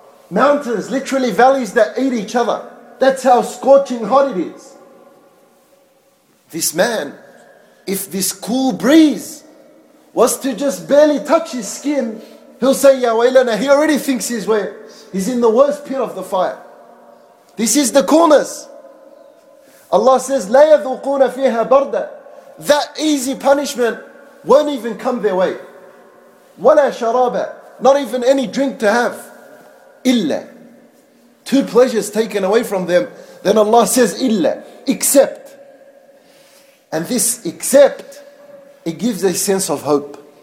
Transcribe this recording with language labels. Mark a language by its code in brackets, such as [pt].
[en] Mountains, literally valleys that eat each other. That's how scorching hot it is. This man, if this cool breeze was to just barely touch his skin, he'll say, Ya waylana. He already thinks he's in the worst pit of the fire. This is the coolness. Allah says, [ar] لَا يَذُوقُونَ فِيهَا بَرْدًا. [en] That easy punishment won't even come their way. [ar] وَلَا شَرَابًا. [en] Not even any drink to have. Illa, two pleasures taken away from them. Then Allah says, illa, except. And this except, it gives a sense of hope.